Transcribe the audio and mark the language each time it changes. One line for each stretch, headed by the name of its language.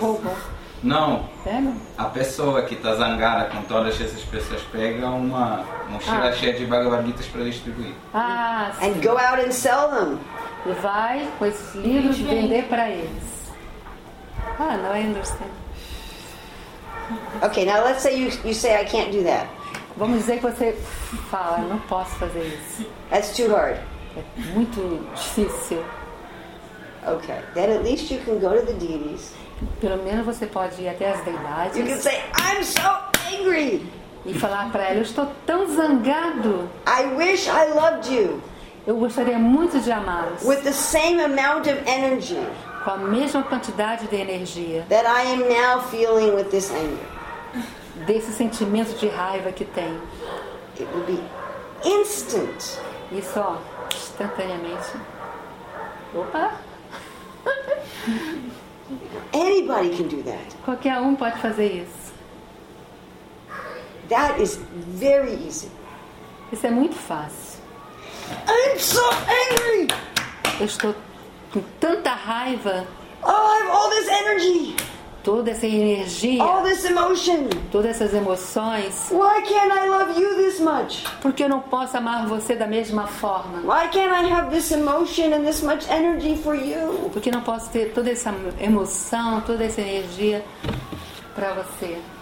Portuguese: Opa. Não. Pega. A pessoa que está zangada com todas essas pessoas pega uma mochila cheia de Bhagavad Gita's para distribuir. Ah, sim.
English: And go out and sell them.
Portuguese: E vai com esses livros vender para eles. Ah, não,
English: I understand. Okay, now let's say you say I can't do that.
Portuguese: Vamos dizer que você fala, não posso fazer isso.
English: That's too hard.
Portuguese: É muito difícil.
English: Okay, then at least you can go to the deities.
Portuguese: Pelo menos você pode ir até as deidades.
English: You can say, I'm so angry.
Portuguese: E falar para ela, eu estou tão zangado.
English: I wish I loved you.
Portuguese: Eu gostaria muito de amá-los.
English: With the same amount of energy.
Portuguese: Com a mesma quantidade de energia.
English: That I am now feeling with this anger.
Portuguese: Desse sentimento de raiva que tem.
English: It will be instant.
Portuguese: Isso, ó, instantaneamente. Opa!
English: Anybody can do that.
Portuguese: Qualquer um pode fazer isso.
English: That is very easy.
Portuguese: Isso é muito fácil.
English: I'm so angry!
Portuguese: Eu estou com tanta raiva.
English: Oh, I have all this energy!
Portuguese: Toda essa energia.
English: All this emotion.
Portuguese: Todas essas emoções.
English: Why can't I love you this much?
Portuguese: Por que eu não posso amar você da mesma forma?
English: Why can't I have this emotion and this much energy for you?
Portuguese: Por que não posso ter toda essa emoção, toda essa energia para você?